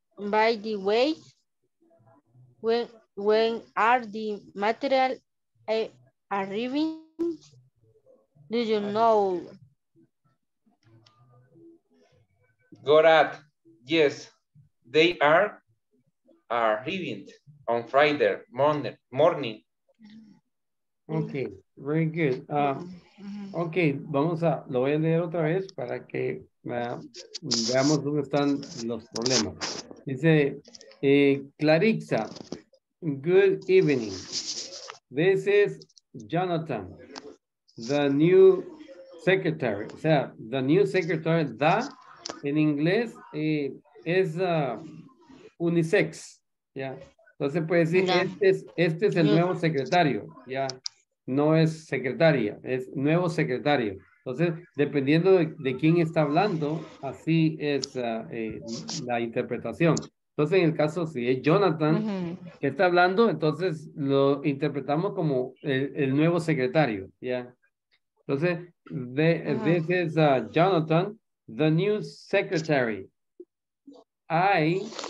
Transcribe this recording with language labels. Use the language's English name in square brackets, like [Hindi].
[English] By the way, when are the material arriving? Do you know? Gorat, yes, they are arriving on Friday morning. Okay, very good. [Spanish] Ok, lo voy a leer otra vez para que veamos dónde están los problemas. Dice, [English] Clarissa, good evening. This is Jonathan, the new secretary. [Spanish] O sea, [English] the new secretary, the, [Spanish] en inglés, es unisex. ¿Ya? Entonces puede decir, no. este es el nuevo secretario, ¿ya? No es secretaria, es nuevo secretario. Entonces, dependiendo de quién está hablando, así es la interpretación. Entonces, en el caso, si es Jonathan que está hablando, entonces lo interpretamos como el nuevo secretario. ¿Ya? Entonces, [English] this is Jonathan, the new secretary. I